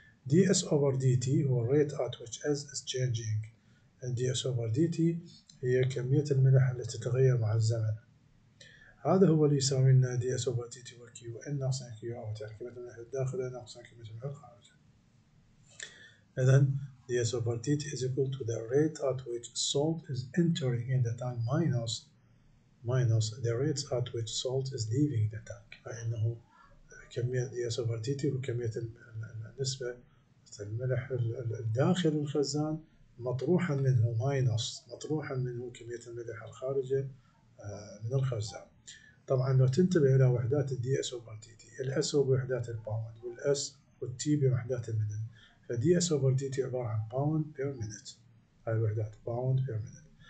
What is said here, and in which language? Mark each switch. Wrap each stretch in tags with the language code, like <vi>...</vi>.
<ar>ds over dt هو</ar> <en>rate at which s is changing،</en> <ar>ds over dt هي كمية الملح التي تتغير مع الزمن. هذا هو اللي يساوي لنا دي اس اوفر دي تي وكيو ان ناقص كيو اوت، يعني كمية الملح الداخل ناقص كمية الملح الخارج.</ar> <en>إذن D S over D T is equal to the rate at which salt is entering in the tank minus the rate at which salt is leaving the tank.</en> <ar>فإنه كمية دي اس اوفر دي تي وكمية النسبة الملح الداخل الخزان مطروحا منه ماينس مطروحا منه كمية الملح الخارجة من الخزان. طبعا لو تنتبه الى وحدات الدي اس اوفر دي تي، الاس هو بوحدات الباوند والاس والتي بوحدات المينت، فدي اس اوفر دي تي عباره عن باوند بير مينت، هاي الوحدات باوند بير مينت.</ar>